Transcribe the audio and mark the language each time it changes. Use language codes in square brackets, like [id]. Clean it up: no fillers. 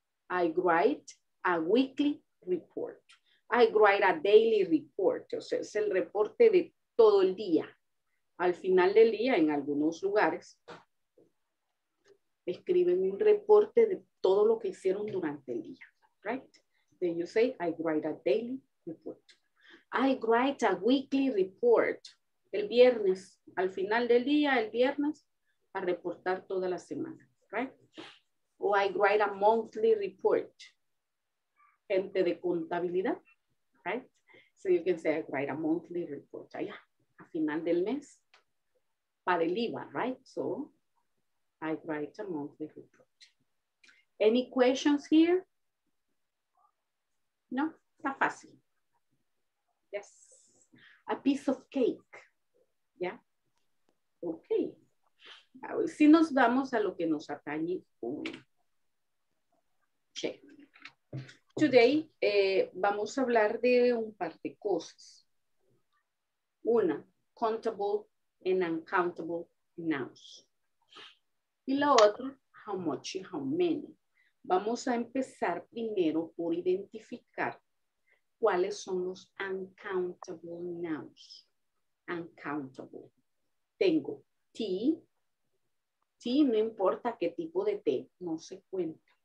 [en] I write a weekly report. I write a daily report. [es] O sea, es el reporte de todo el día. Al final del día, en algunos lugares, escriben un reporte de todo lo que hicieron durante el día. [en] Right? Then you say, I write a daily report. I write a weekly report. [es] El viernes, al final del día, el viernes, a reportar toda la semana. [en] Right? O I write a monthly report. [es] Gente de contabilidad. [en] Right? So you can say, I write a monthly report. [es] Allá, a final del mes. Para el IVA, [en] right? So, I write a monthly report. Any questions here? [es] No? Está fácil. [en] Yes. A piece of cake. Yeah? Okay. [es] Ahora, si nos vamos a lo que nos atañe. [en] Check. Today, [es] vamos a hablar de un par de cosas. Una, [en] countable and uncountable nouns. [es] Y la otra, [en] how much and how many. [es] Vamos a empezar primero por identificar cuáles son los uncountable nouns. Uncountable. Tengo tea. Tea, no importa qué tipo de té, no se cuenta.